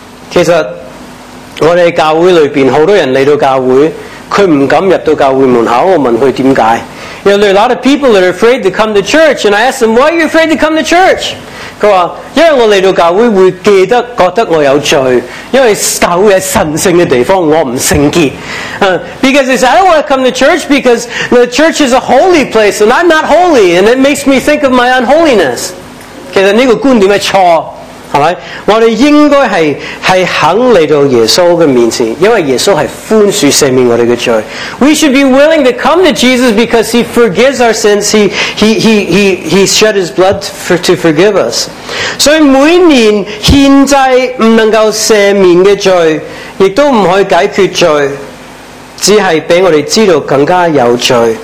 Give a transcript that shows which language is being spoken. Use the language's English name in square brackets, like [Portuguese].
[Chinese] 其实我们教会里面很多人来到教会他不敢入到教会门口我问他为什么 [English] you know, there are a lot of people that are afraid to come to church and I ask them why are you afraid to come to church [Chinese] 他说因为我来到教会会记得觉得我有罪因为教会是神圣的地方我不圣洁 [English] because they say I don't want to come to church because the church is a holy place and I'm not holy and it makes me think of my unholiness [Chinese] 其实这个观点是错是吧我们应该 是肯来到耶稣的面前因为耶稣是宽恕赦免我们的罪 [English] We should be willing to come to Jesus because he forgives our sins he shed his blood to forgive us [Chinese] 所以每年献祭不能够赦免的罪也都不可以解决罪只是让我们知道更加有罪